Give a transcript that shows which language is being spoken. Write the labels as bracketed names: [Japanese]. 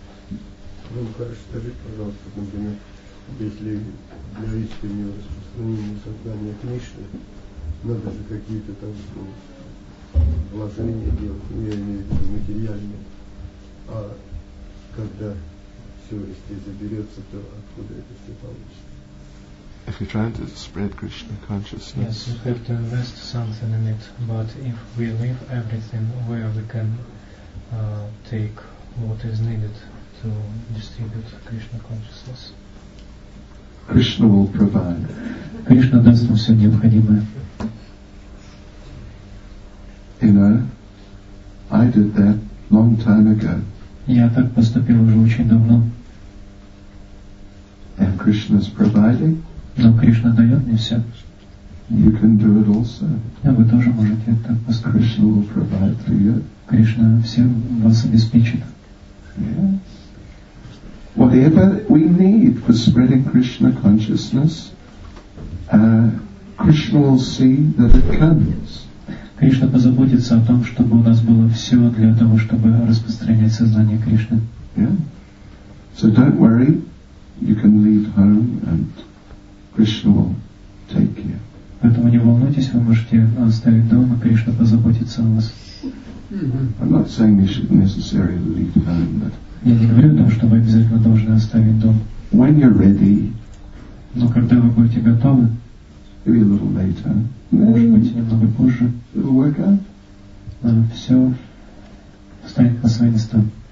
[Russian] Ну, хорошо, скажите, пожалуйста, например, если для искреннего распространения сознания Кришны, надо же какие-то там вложения делать, не имею в виду материальные. А когда все если заберется, то откуда это все получится? [English] If you're trying to spread Krishna consciousness. Yes, we have to invest something in it, but if we leave everything, where we can take what is needed to distribute Krishna consciousness? Krishna will provide. [Russian] Krishna даст нам все необходимое. [English] You know, I did that long time ago. [Russian] Я так поступил уже очень давно. [English] And Krishna's providing. [Russian] Но Кришна дает мне все. [English] You can do it also. [Russian] А вы тоже можете это поступить. [English] Krishna will provide for you. [Russian] Кришна всем вас обеспечит. [English] Yes. Whatever we need for spreading Krishna consciousness, Krishna will see that it comes. [Russian] Кришна позаботится о том, чтобы у нас было все для того, чтобы распространять сознание Кришны. [English] Yeah. So don't worry, you can leave home and Krishna will take care. [Russian] Поэтому не волнуйтесь, вы можете оставить дом, и Кришна позаботится о вас. [English] I'm not saying you should necessarily leave home, but [Russian] я не говорю о том, что вы обязательно должны оставить дом. [English] When you're ready. [Russian] Но когда вы будете готовы. [English] Maybe a little later. [Russian] Может быть, немного позже. [English] It'll work out. [Russian] Все станет на свои места.